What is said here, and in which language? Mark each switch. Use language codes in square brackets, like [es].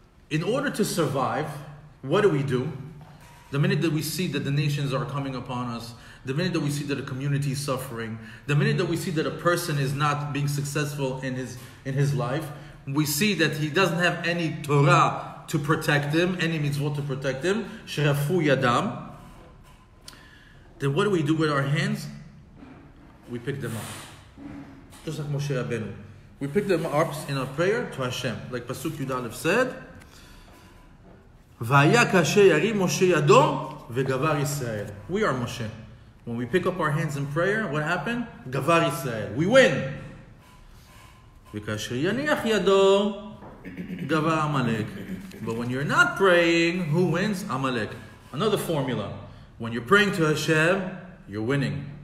[en] In order to survive, what do? The minute that we see that the nations are coming upon us, the minute that we see that a community is suffering, the minute that we see that a person is not being successful in his life, we see that he doesn't have any Torah to protect him, any mitzvot to protect him, [he] shirafu yadam, [en] then what do with our hands? We pick them up. Just like Moshe Rabbeinu. We pick them up in our prayer to Hashem. Like Pasuk Yud Aleph said, [he] והיה כאשר ירים משה ידו וגבר ישראל. [en] We are Moshe. When we pick up our hands in prayer, what happened? [he] גבר ישראל. [en] We win. [he] וכאשר יניח ידו, גבר עמלק. [en] But when you're not praying, who wins? עמלק. Another formula. When you're praying to Hashem, you're winning.